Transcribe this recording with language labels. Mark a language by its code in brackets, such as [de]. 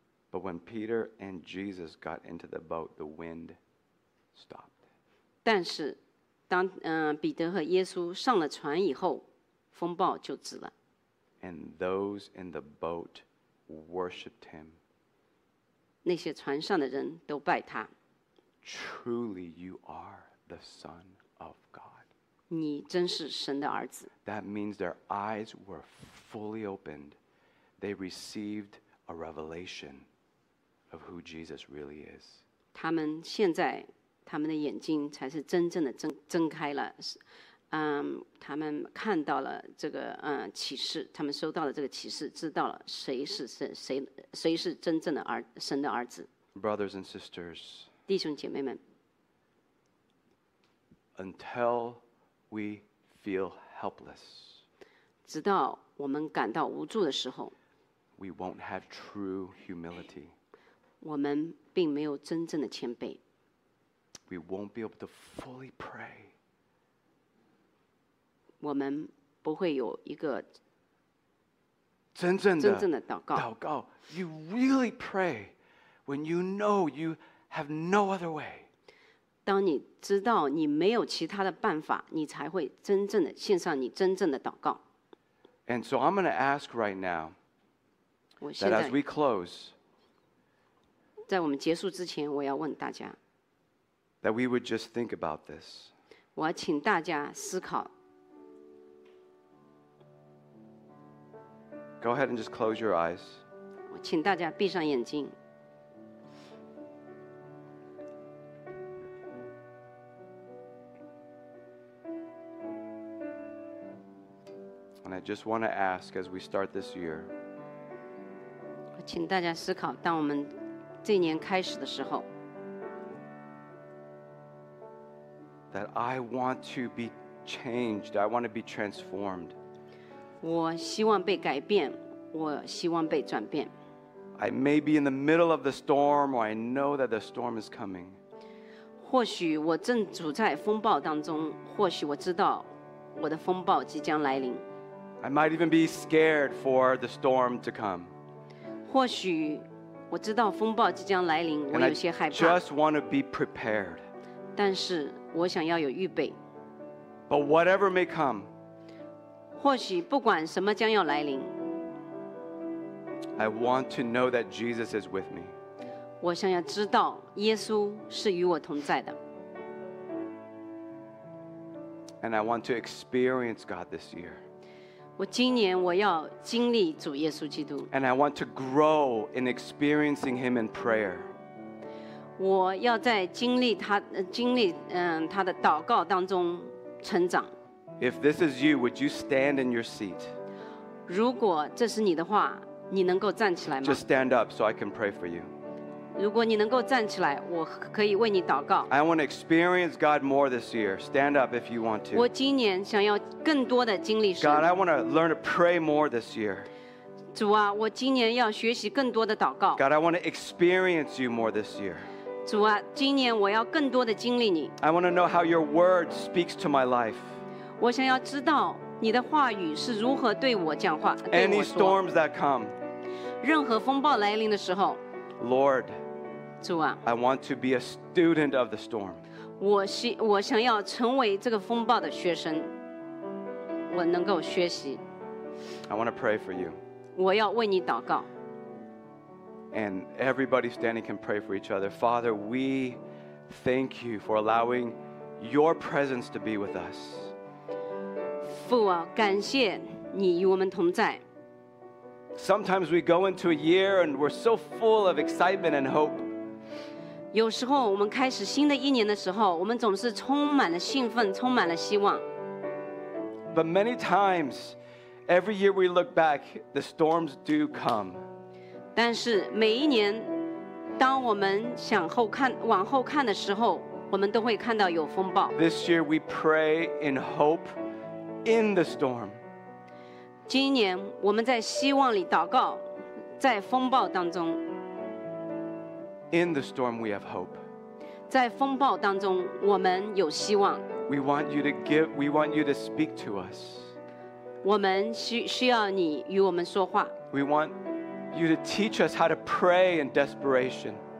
[en] But when Peter and Jesus got into the boat, the wind stopped. [zh] 但是当彼得和耶稣上了船以后，风暴就止了。 [en] And those in the boat worshipped him. [zh] 那些船上的人都拜他。 [en] Truly, you are the Son. [zh] 你真是神的儿子。 [en] That means their eyes were fully opened. They received a revelation of who Jesus really is. [zh] 他们现在他们的眼睛才是真正的 睁开了、他们看到了这个、启示，他们收到了这个启示，知道了谁是真正的神的儿子。 [en] Brothers and sisters, [zh] 弟兄姐妹们， [en] Until we feel helpless, [zh] 直到我们感到无助的时候， [en] we won't have true humility. [zh] 我们并没有真正的谦卑。 [en] We won't be able to fully pray. [zh] 我们不会有一个真正的祷告。祷告。 [en] You really pray when you know you have no other way. [zh] 当你知道你没有其他的办法，你才会真正的献上你真正的祷告。 [en] And so I'm going to ask right now that as we close, [zh] 在我们结束之前，我要问大家。 [en] That we would just think about this. [zh] 我要请大家思考。 [en] Go ahead and just close your eyes. [zh] 我请大家闭上眼睛。 [en] And I just want to ask as we start this year. [zh] 我请大家思考，当我们这年开始的时候。 [en] That I want to be changed. I want to be transformed. [zh] 我希望被改变，我希望被转变。 [en] I may be in the middle of the storm, or I know that the storm is coming. [zh] 或许我正处在风暴当中，或许我知道我的风暴即将来临。 [en] I might even be scared for the storm to come. [zh] 或许我知道风暴即将来临，我有些害怕。 [en] And I just want to be prepared. [zh] 但是我想要有预备。 [en] But whatever may come, [zh] 或许不管什么将要来临， [en] I want to know that Jesus is with me. [zh] 我想要知道耶稣是与我同在的。 [en] And I want to experience God this year. [zh] 我今年我要经历主耶稣基督。 [en] And I want to grow in experiencing Him in prayer. [zh] 我要在经历他经历他的祷告当中成长。 [en] If this is you, would you stand in your seat? [zh] 如果这是你的话，你能够站起来吗？ [en] Just stand up so I can pray for you. [zh] 如果你能够站起来，我可以为你祷告。 [en] I want to experience God more this year. Stand up if you want to. [zh] 我今年想要更多的经历神。 [en] God, I want to learn to pray more this year. [zh] 主啊，我今年要学习更多的祷告。 [en] God, I want to experience you more this year. [zh] 主啊，今年我要更多的经历你。 [en] I want to know how your word speaks to my life. [zh] 我想要知道你的话语是如何对我讲话，对我说。 [en] Any storms that come. [zh] 任何风暴来临的时候。 [en] Lord. [zh] 主啊。 [en] I want to be a student of the storm. [zh] 我想要成为这个风暴的学生。我能够学习。 [en] I want to pray for you. [zh] 我要为你祷告。 [en] And everybody standing can pray for each other. Father, we thank you for allowing your presence to be with us. [zh] 父啊，感谢你与我们同在。 [en] Sometimes we go into a year and we're so full of excitement and hope. [zh] 有时候我们开始新的一年的时候，我们总是充满了兴奋，充满了希望。 [en] But many times,Every year we look back, the storms do come. [zh] 但是每一年，当我们想后看，往后看的时候，我们都会看到有风暴。 [en] This year we pray in hope in the storm. [zh] 今年我们在希望里祷告，在风暴当中。 [en] In the storm we have hope. [zh] 在风暴当中，我们有希望。 [en] We want you to speak to us. [zh] 我们需要你与我们说话。 [en] We want you to teach us how to pray in desperation.